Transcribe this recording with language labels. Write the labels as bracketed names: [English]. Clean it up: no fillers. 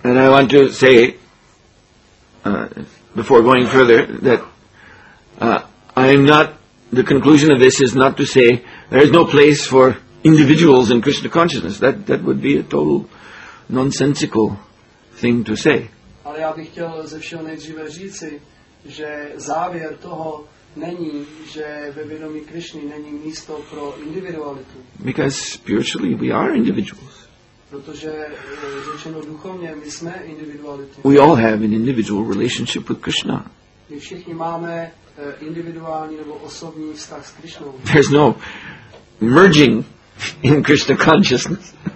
[English] And I want to say, before going further, that I am not, the conclusion of this is not to say there is no place for individuals in Krishna consciousness. That would be a total nonsensical thing to say. [Czech] Ale já bych chtěl ze všeho nejdříve říci, že závěr toho není, že ve vědomí Krishny není místo pro individualitu. [English] Because spiritually we are individuals. [Czech] Protože řečeno duchovně, my jsme individuality. [English] We all have an individual relationship with Krishna. [Czech] My všichni máme individuální nebo osobní vztah s Krishnou. [English] There's no merging in Krishna consciousness.